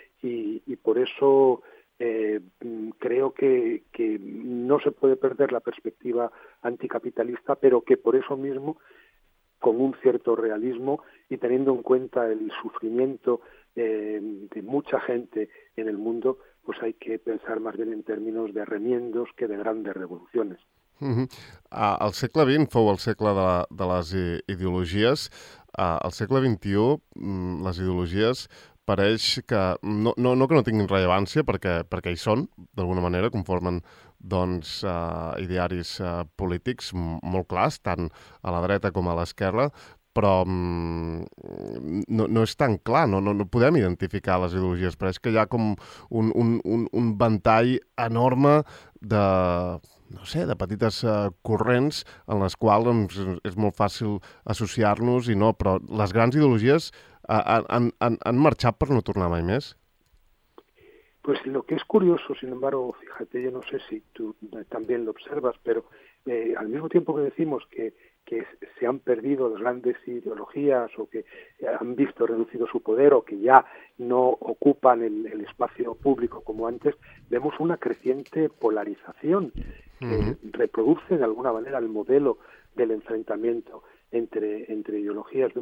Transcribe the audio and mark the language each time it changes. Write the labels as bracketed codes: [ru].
[es] Y por eso creo que no se puede perder la perspectiva anticapitalista, pero que por eso mismo, con un cierto realismo y teniendo en cuenta el sufrimiento de mucha gente en el mundo, pues hay que pensar más bien en términos de remiendos que de grandes revoluciones. [ca] El segle XX fou el segle de les ideologies. Al segle XXI, les ideologies pareix que no que no tinguin rellevància, perquè hi són, d'alguna manera, conformen doncs, idearis polítics molt clars, tant a la dreta com a l'esquerra, però no és tan clar, no podem identificar les ideologies. Pareix que hi ha com un ventall enorme de, no sé, de petites corrents en les quals és molt fàcil associar-nos i no, però les grans ideologies han marxat per no tornar mai més. [es] Pues lo que es curioso, sin embargo, fíjate, yo no sé si tú también lo observas, pero al mismo tiempo que decimos que se han perdido las grandes ideologías o que han visto reducido su poder o que ya no ocupan el espacio público como antes, vemos una creciente polarización que reproduce de alguna manera el modelo del enfrentamiento entre ideologías.